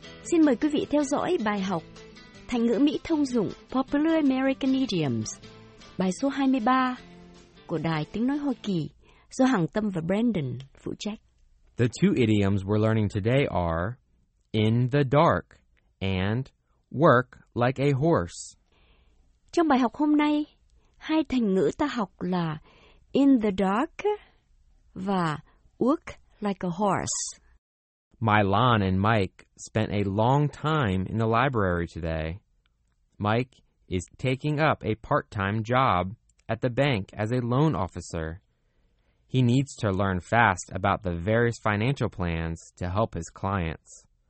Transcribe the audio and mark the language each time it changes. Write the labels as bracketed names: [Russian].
[Vietnamese] Xin mời quý vị theo dõi bài học Thành ngữ Mỹ thông dụng Popular American Idioms, bài số 23 của Đài Tiếng Nói Hoa Kỳ do Hằng Tâm và Brandon phụ trách. [English] The two idioms we're learning today are in the dark and work like a horse. [Vietnamese] Trong bài học hôm nay, hai thành ngữ ta học là in the dark và [English] work like a horse. Mylon and Mike spent a long time in the library today. Mike is taking up a part-time job at the bank as a loan officer. He needs to learn fast about the various financial plans to help his clients.